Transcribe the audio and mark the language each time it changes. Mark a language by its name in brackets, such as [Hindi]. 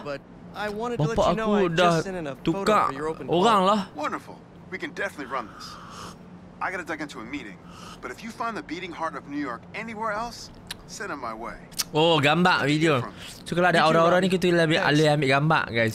[Malay] Bapak aku dah tukar orang lah. [English] Wonderful. We can definitely run this. I gotta duck into a meeting, but if you find the beating heart of New York anywhere else, send him my way. [Malay] Oh, gambar video. So kalau ada aura-aura ni, kita lebih alih ambil gambar guys.